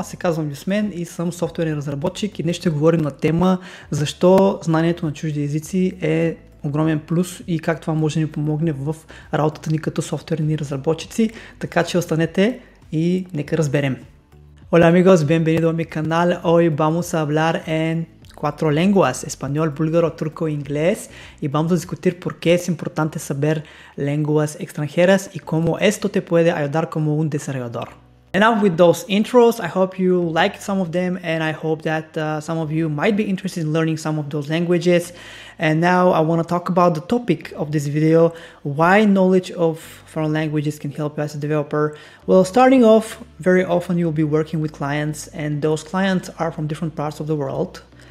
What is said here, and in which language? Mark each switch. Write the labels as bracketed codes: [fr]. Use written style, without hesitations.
[bg] Аз се казвам Юсмен и съм софтуерен разработчик и днес ще говорим на тема защо знанието на чужди езици е огромен плюс и как това може да ни помогне в работата ни като софтуерни разработчици. Така че останете и нека разберем. [es] Hola amigos, bienvenido a mi canal. Hoy vamos a hablar en cuatro lenguas: español, búlgaro, turco e inglés. Y vamos a discutir por qué es importante saber lenguas extranjeras y cómo esto te puede ayudar como un desarrollador. [en] Enough with those intros. I hope you liked some of them and I hope that some of you might be interested in learning some of those languages. And now I want to talk about the topic of this video: why knowledge of foreign languages can help you as a developer. Well, starting off, very often you'll be working with clients and those clients are from different parts of the world.